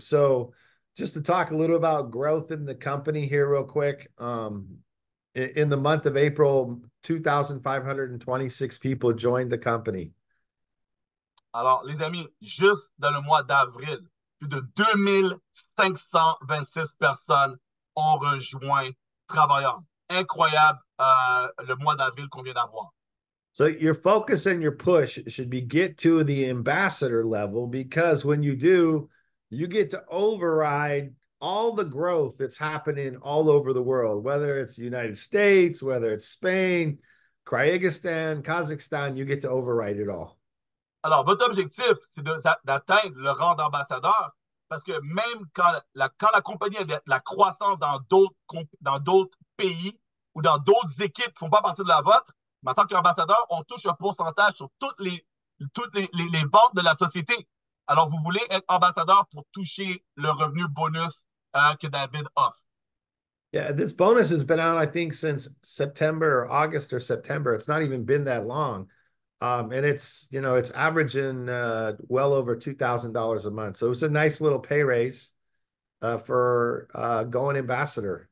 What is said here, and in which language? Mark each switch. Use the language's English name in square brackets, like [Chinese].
[English] So, just to talk a little about growth in the company here real quick. In the month of April, 2,526 people joined the company. [French] Alors, les amis, juste dans le mois d'avril, plus de 2526 personnes ont rejoint Travorium. Incroyable le mois d'avril qu'on vient d'avoir. So your focus and your push should be get to the ambassador level because when you do, you get to override all the growth that's happening all over the world, whether it's the United States, whether it's Spain, Kyrgyzstan, Kazakhstan, you get to override it all. Alors, votre objectif, c'est d'atteindre le rang d'ambassadeur parce que même quand la compagnie a de la croissance dans d'autres pays ou dans d'autres équipes qui ne font pas partie de la vôtre, mais en tant qu'ambassadeur, on touche un pourcentage sur toutes les ventes de la société. Alors, vous voulez être ambassadeur pour toucher le revenu bonus que David offre. [English] Yeah, this bonus has been out, I think, since September or August or September. It's not even been that long. And it's, you know, it's averaging well over $2,000 a month. So it's a nice little pay raise for going ambassador.